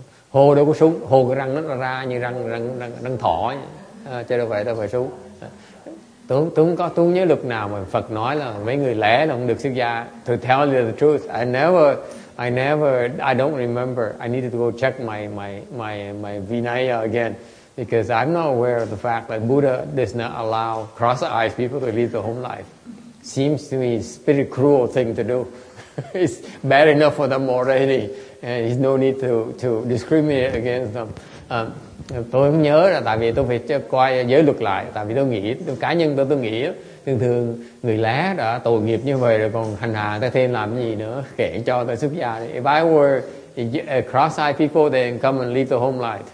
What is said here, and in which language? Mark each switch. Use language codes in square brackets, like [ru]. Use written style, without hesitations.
[vi] Hồ đâu có súng, hồ cái răng nó ra như răng thỏ chứ đâu phải súng. Tôi không nhớ luật nào mà Phật nói là mấy người lẻ là không được xuất gia. [en] To tell you the truth, I don't remember. I needed to go check my Vinaya again, because I'm not aware of the fact that Buddha does not allow cross-eyed people to leave the home life. Seems to me it's a pretty cruel thing to do. It's bad enough for them already, and there's no need to discriminate against them. [vi] Tôi không nhớ là tại vì tôi phải coi giới luật lại, tại vì cá nhân tôi nghĩ thường thường người lá đã tội nghiệp như vậy rồi còn hành hạ ta thêm làm gì nữa, kể cho ta xuất gia. [en] If I were cross-eyed people, then come and leave the home light.